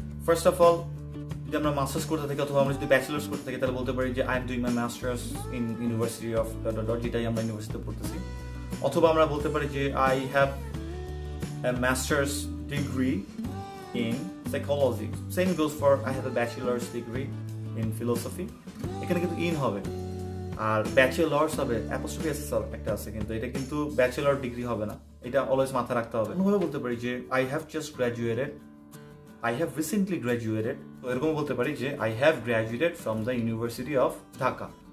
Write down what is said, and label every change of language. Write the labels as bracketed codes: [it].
[bn] First of all, যদি আমরা masters করতে থাকি অথবা আমরা যদি ব্যাচেলার্স করতে থাকি, তাহলে বলতে পারি যে [en] I am doing my masters in university of dot, [bn] যেটাই আমরা ইউনিভার্সিটিতে পড়তেছি. অথবা আমরা বলতে পারি যে [en] I have a master's degree in psychology. Same goes for I have a bachelor's degree in philosophy. [bn] এখানে কিন্তু ইন হবে আর ব্যাচেলর্স হবে, অ্যাপোস্ট্রফি আছে স্যার একটা আছে, কিন্তু এটা কিন্তু ব্যাচেলর ডিগ্রি হবে না, এটা অলওয়েজ মাথায় রাখতে হবে. অন্যভাবে বলতে পারি যে [en] I have just graduated, I have recently graduated. [bn] তো এরকম বলতে পারি যে [en] I have graduated from the university of Dhaka.